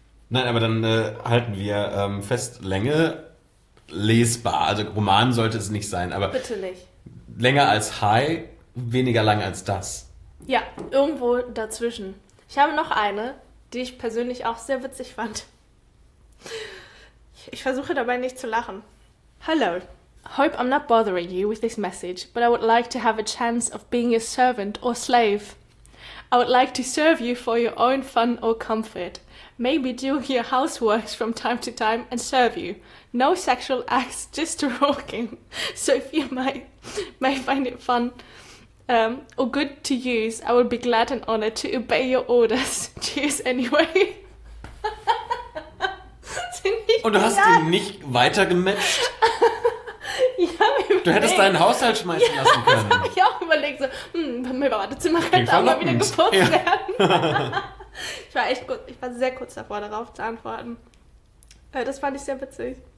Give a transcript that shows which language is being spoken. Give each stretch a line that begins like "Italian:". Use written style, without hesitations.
German: Nein, aber dann halten wir fest, Länge lesbar. Also Roman sollte es nicht sein, aber Bitte nicht. länger als High, weniger lang als das. Ja, irgendwo dazwischen. Ich habe noch eine, die ich persönlich auch sehr witzig fand. Ich versuche dabei nicht zu lachen.
English: Hello. Hope I'm not bothering you with this message, but I would like to have a chance of being your servant or slave. I would like to serve you for your own fun or comfort. Maybe do your housework from time to time and serve you. No sexual acts, just talking. So if you may find it fun or good to use, I would be glad and honored to obey your orders. Cheers anyway.
German: Und du hast ihn nicht weiter gematcht? Du hättest deinen Haushalt schmeißen lassen können. Ja, das habe ich auch überlegt. So, mein Badezimmer Klingt könnte auch mal wieder verlockend. geputzt Ja. werden. Ich war echt kurz, ich war sehr kurz davor, darauf zu antworten. Das fand ich sehr witzig.